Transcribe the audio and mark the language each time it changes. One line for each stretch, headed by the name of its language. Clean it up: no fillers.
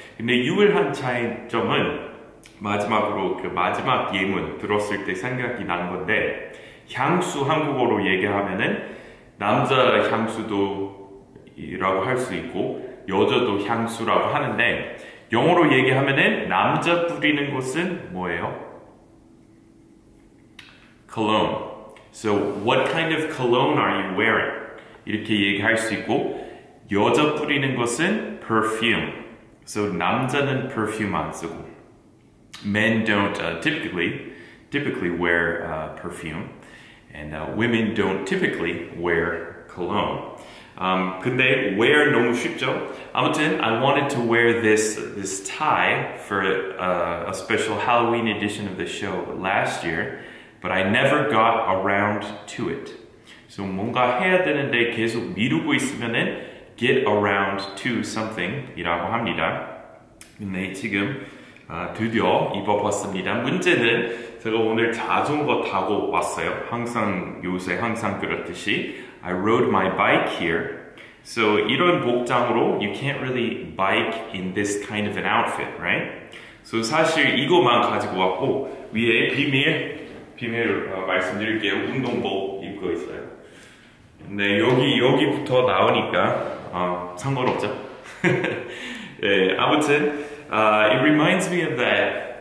Korean: 근데 유일한 차이점은 마지막으로 그 마지막 예문 들었을 때 생각이 난 건데 향수 한국어로 얘기하면은 남자 향수도 이라고 할 수 있고 여자도 향수라고 하는데 영어로 얘기하면은 남자 뿌리는 것은 뭐예요?
English: Cologne. So what kind of cologne are you wearing?
Korean: 이렇게 얘기할 수 있고 여자 뿌리는 것은 perfume.
English: So
Korean: 남자는 perfume 안 쓰고
English: men don't typically wear perfume and women don't typically wear cologne.
Korean: 근데 wear 너무 쉽죠? 아무튼
English: I wanted to wear this tie for a special Halloween edition of the show last year, but I never got around to it.
Korean: So 뭔가 해야 되는데 계속 미루고 있으면은
English: get around to something
Korean: 이라고 합니다. 근데 지금 드디어 입어봤습니다. 문제는 제가 오늘 자전거 타고 왔어요. 항상 요새 항상 그렇듯이
English: I rode my bike here. So
Korean: 이런 복장으로
English: you can't really bike in this kind of an outfit, right?
Korean: So 사실 이거만 가지고 왔고 위에 비밀 말씀드릴게요. 운동복 입고 있어요. 근데 여기부터 나오니까 상관없죠. 네, 아무튼
English: it reminds me of that.